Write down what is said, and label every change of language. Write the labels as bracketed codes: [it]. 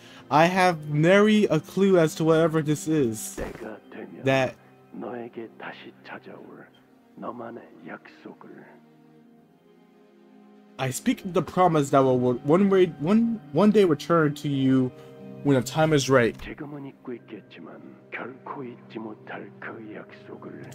[en] I have nary a clue as to whatever this is. That. [ko] 너에게 다시 찾아올 너만의 약속을. [en] I speak of the promise that will one day return to you when the time is right. [ko] 지금은 잊고 있겠지만 결코 잊지 못할 그 약속을.